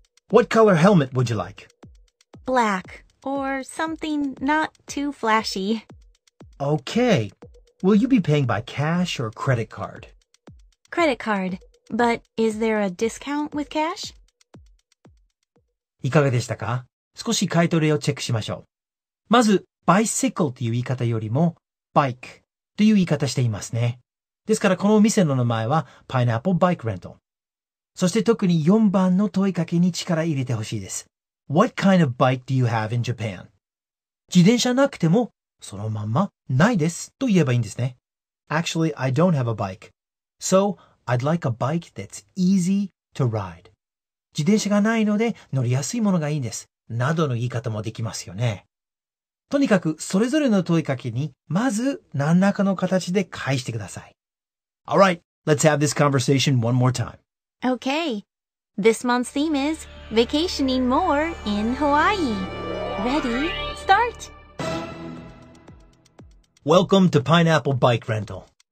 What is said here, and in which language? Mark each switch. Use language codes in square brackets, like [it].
[en] What color helmet would you like? Black, or something not too flashy. Okay, will you be paying by cash or credit card? Credit card, but is there a discount with cash? [ja] いかがでしたか？少し買取をチェックしましょう。まず、bicycle という言い方よりも bike という言い方していますね。ですからこのお店の名前は Pineapple Bike Rental。そして特に4番の問いかけに力入れてほしいです。 [en] What kind of bike do you have in Japan? [ja] 自転車なくてもそのまんまないですと言えばいいんですね。 [en] Actually, I don't have a bike. So, I'd like a bike that's easy to ride. [ja] 自転車がないので乗りやすいものがいいんです。などの言い方もできますよね。とにかくそれぞれの問いかけにまず何らかの形で返してください。 [en] All right, let's have this conversation one more time. Okay, this month's theme is vacationing more in Hawaii. Ready, start! Welcome to Pineapple Bike Rental.